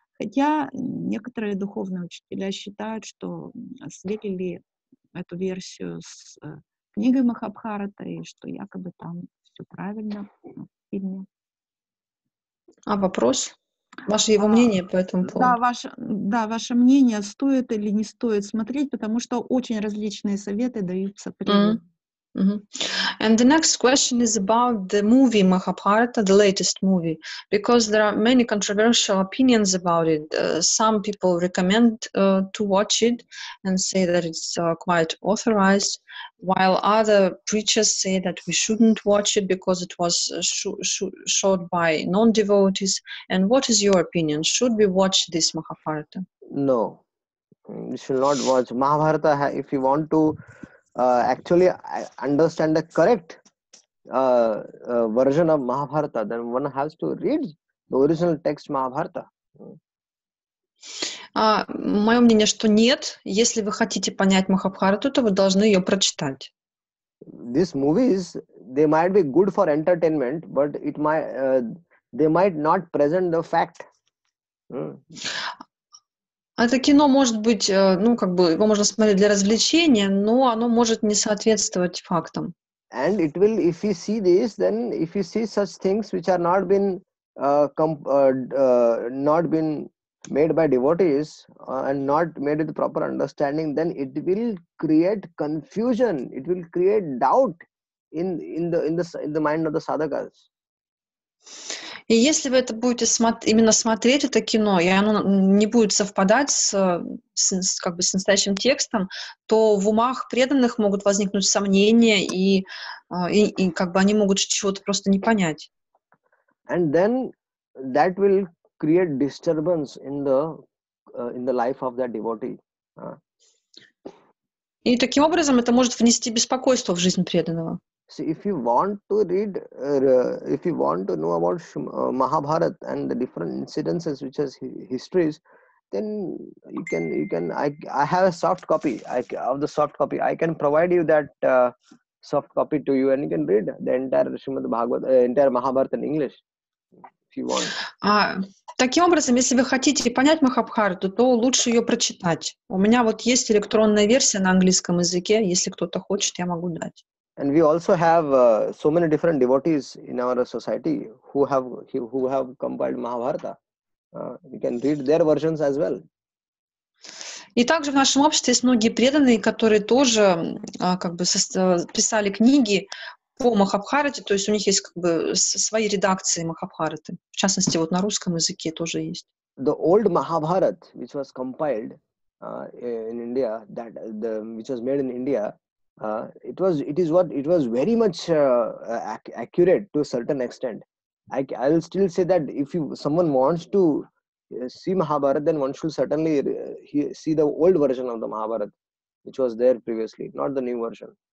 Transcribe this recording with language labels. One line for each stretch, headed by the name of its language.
Russian: Хотя некоторые духовные учителя считают, что слили эту версию с книгой Махабхарата, и что якобы там все правильно в фильме. А вопрос? Ваше его мнение по этому поводу? Ваше мнение, стоит или не стоит смотреть, потому что очень различные советы даются при...
English: And the next question is about the movie Mahabharata, the latest movie, because there are many controversial opinions about it. Some people recommend to watch it and say that it's quite authorized, while other preachers say that we shouldn't watch it because it was shot by non-devotees. And what is your opinion? Should we watch this Mahabharata? No, we should not watch Mahabharata if you want to... actually, I understand the correct version of Mahabharata, then one has to read the original text Mahabharata.
Russian: Мое мнение, что нет. Если вы хотите понять Махабхарату, то вы должны ее прочитать.
English: These movies, they might be good for entertainment, but they might not present the fact.
Russian: Это кино может быть, ну, как бы, его можно смотреть для развлечения, но оно может не соответствовать фактам.
English: And it will, if you see this, then if you see such things which are not been, not been made by devotees, and not made with proper understanding, then it will create confusion, it will create doubt in the mind of the sadhakas.
Russian: И если вы это будете именно смотреть, это кино, и оно не будет совпадать с настоящим текстом, то в умах преданных могут возникнуть сомнения, и как бы они могут чего-то просто не понять.
English: And then that will create disturbance in the life of that devotee.
Russian: И таким образом это может внести беспокойство в жизнь преданного.
English: So if you want to read, if you want to know about Mahabharata and the different incidences, which is histories, then you can. I have a soft copy. I can provide you that soft copy to you, and you can read the entire Srimad Bhagavat, entire Mahabharata in English, if you want.
Russian: Таким образом, если вы хотите понять Махабхарату, то лучше ее прочитать. У меня вот есть электронная версия на английском языке. Если кто-то хочет, я могу дать.
English: And we also have so many different devotees in our society who have compiled Mahabharata. We can read their versions as well.
Russian: И также в нашем обществе есть многие преданные, которые тоже писали книги по Махабхарате, то есть у них есть свои редакции Махабхараты. В частности, вот на русском языке тоже есть.
English: The old Mahabharata, which was compiled in India, which was made in India. It was very much accurate to a certain extent. I'll still say that if someone wants to see Mahabharata, then one should certainly see the old version of the Mahabharata, which was there previously, not the new version.